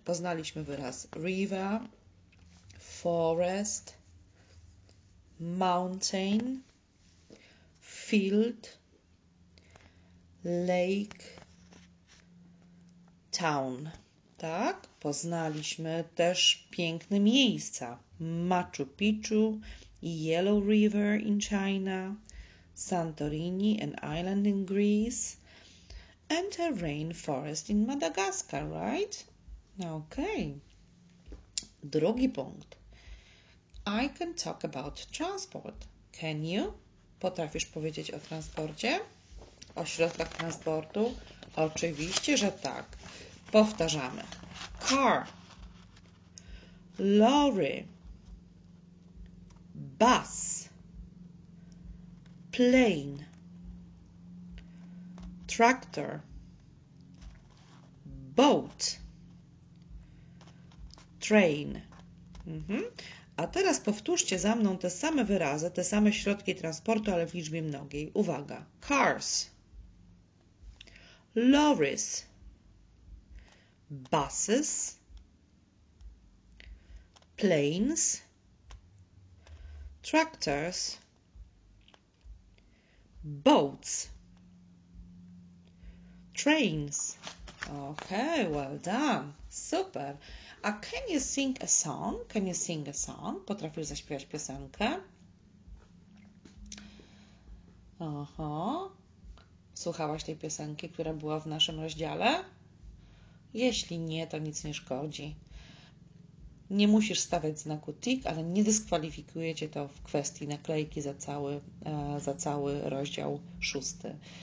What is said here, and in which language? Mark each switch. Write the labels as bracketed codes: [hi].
[pl] Poznaliśmy wyraz river, forest, mountain, field, lake, town. Tak? Poznaliśmy też piękne miejsca. [en] Machu Picchu, Yellow River in China, Santorini, an island in Greece, and a rainforest in Madagascar, right? Okay. [pl] Drugi punkt. [en] I can talk about transport. Can you? [pl] Potrafisz powiedzieć o transporcie? O środkach transportu? Oczywiście, że tak. Powtarzamy. [en] Car. Lorry. Bus. Plane, tractor, boat, train. Mm-hmm. [pl] A teraz powtórzcie za mną te same wyrazy, te same środki transportu, ale w liczbie mnogiej. Uwaga. [en] Cars, lorries, buses, planes, tractors, boats, trains. Okay, well done. Super. A can you sing a song? Can you sing a song? [pl] Potrafisz zaśpiewać piosenkę? Aha. Słuchałaś tej piosenki, która była w naszym rozdziale? Jeśli nie, to nic nie szkodzi. Nie musisz stawiać znaku tick, ale nie dyskwalifikuje cię to w kwestii naklejki za cały rozdział szósty.